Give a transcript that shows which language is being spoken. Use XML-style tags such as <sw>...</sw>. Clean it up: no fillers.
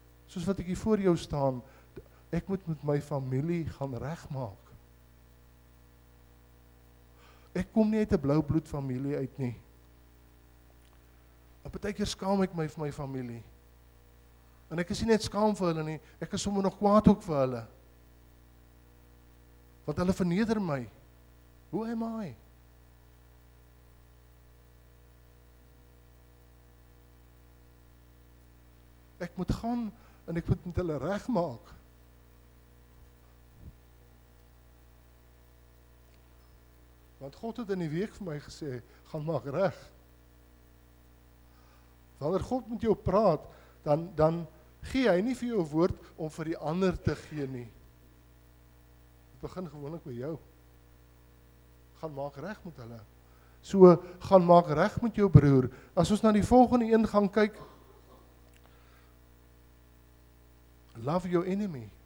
<af>Soos wat ek hier voor jou staan, ek moet met my familie gaan regmaak. Ek kom nie uit 'n blou bloed familie uit nie. Op 'n baie keer skaam ek my vir my familie. En ek is nie net skaam vir hulle nie, ek is sommer nog kwaad ook vir hulle. Want hulle verneder my.</af> <en>Who am I?</en> <af>Ek moet gaan en ek moet met hulle regmaak. Want God het in die week vir my gesê, gaan maak reg. Wanneer God met jou praat, dan gee hy nie vir jou woord om vir die ander te gee nie. Het begin gewoonlik by jou. Gaan maak reg met hulle. So, gaan maak reg met jou broer. As ons na die volgende een gaan kyk,</af> <en>love your enemy.</en>